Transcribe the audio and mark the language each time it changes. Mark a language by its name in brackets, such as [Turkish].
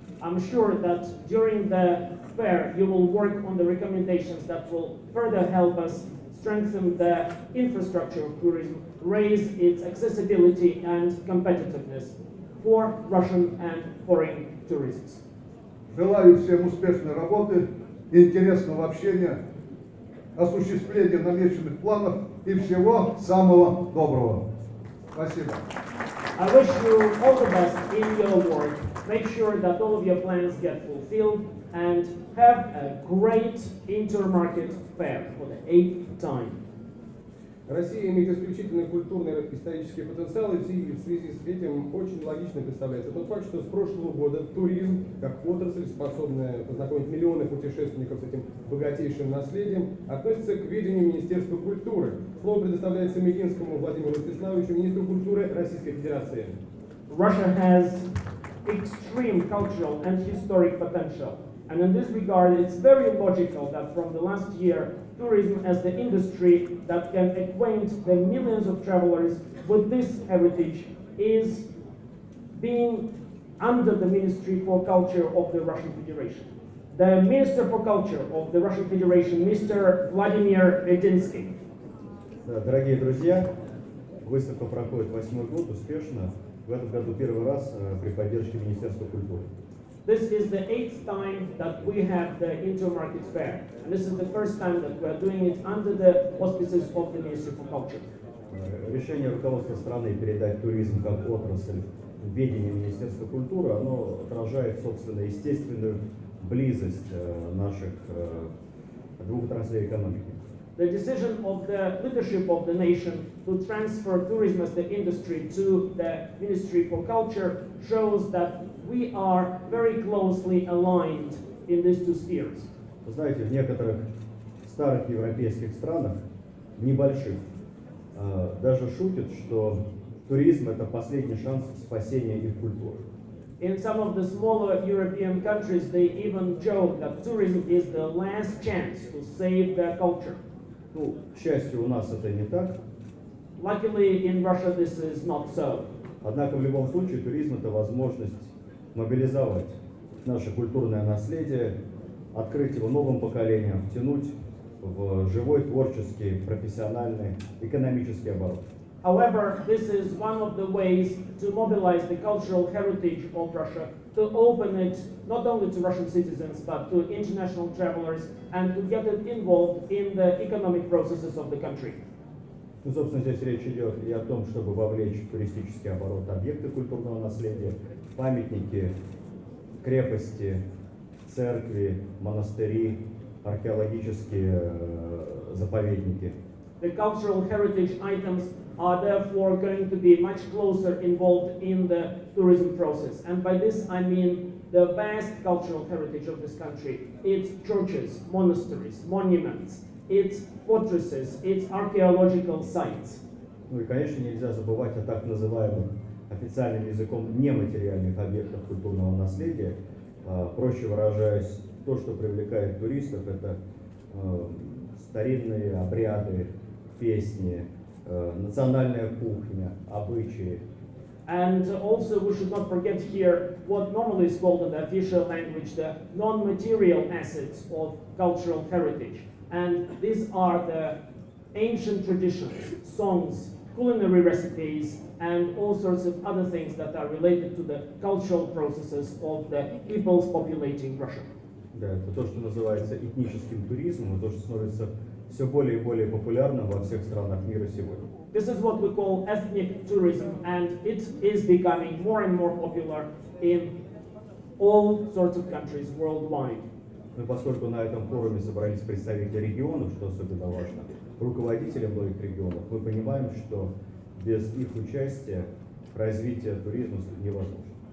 [English] I'm sure that during the fair you will work on the recommendations that will further help us strengthen the infrastructure of tourism, raise its accessibility and competitiveness for Russian and foreign tourists. [Russian] Желаю всем успешной работы, интересного общения, осуществления намеченных планов и всего самого доброго. Спасибо. [English] I wish you all the best in your work. Make sure that all of your plans get fulfilled and have a great Intermarket fair for the 8th time. [Russian] Россия имеет исключительный культурный и исторический потенциал, и в связи с этим очень логично представляется тот факт, что с прошлого года туризм, как отрасль, способная познакомить миллионы путешественников с этим богатейшим наследием, относится к ведению Министерства культуры. Слово предоставляется Мединскому Владимиру Ростиславовичу, министру культуры Российской Федерации. [English] Russia has extreme cultural and historic potential. And in this regard, it's very logical that from the last year, tourism as the industry that can acquaint the millions of travelers with this heritage is being under the Ministry for Culture of the Russian Federation. The Minister for Culture of the Russian Federation, Mr. Vladimir Medinsky. [Russian] Дорогие друзья, выставка проходит восьмой год успешно. В этом году первый раз при поддержке Министерства культуры. [English] This is the 8th time that we have the Intermarket Fair. And this is the first time that we are doing it under the auspices of the Ministry of Culture. [Russian] Решение руководства страны передать туризм как отрасль в ведение Министерства культуры, оно отражает, собственно, естественную близость наших двух отраслей экономики. [English] The decision of the leadership of the nation to transfer tourism as the industry to the Ministry for Culture shows that we are very closely aligned in these two spheres. [Russian] Вы знаете, в некоторых старых европейских странах, небольших, даже шутят, что туризм – это последний шанс спасения их культуры. [English] In some of the smaller European countries, they even joke that tourism is the last chance to save their culture. [Russian] Ну, к счастью, у нас это не так. [English] Luckily, in Russia this is not so. [Russian] Однако, в любом случае, туризм – это возможность мобилизовать наше культурное наследие, открыть его новым поколениям, втянуть в живой, творческий, профессиональный, экономический оборот. [English] However, this is one of the ways to mobilize the cultural heritage of Russia, to open it not only to Russian citizens, but to international travelers, and to get it involved in the economic processes of the country. [Russian] Ну, собственно, здесь речь идет и о том, чтобы вовлечь в туристический оборот объекты культурного наследия, памятники, крепости, церкви, монастыри, археологические заповедники. [English] The cultural heritage items are therefore going to be much closer involved in the tourism process. And by this I mean the vast cultural heritage of this country. Its churches, monasteries, monuments, its fortresses, its archaeological sites. [Russian] Ну и, конечно, нельзя забывать о так называемых официальным языком нематериальных объектах культурного наследия. Проще выражаясь, то, что привлекает туристов, это старинные обряды, песни, национальная кухня, обычаи. [English] And also we should not forget here what normally is called in the official language the non-material assets of cultural heritage. And these are the ancient traditions, songs, culinary recipes, and all sorts of other things that are related to the cultural processes of the peoples populating Russia. [Russian] Да, это то, что называется этническим туризмом, то, что становится все более и более популярным во всех странах мира сегодня. [English] This is what we call ethnic tourism, and it is becoming more and more popular in all sorts of countries worldwide. [Russian] Но поскольку на этом форуме собрались представители регионов, что особенно важно, руководители многих регионов, мы понимаем, что без их участия развитие туризма невозможно.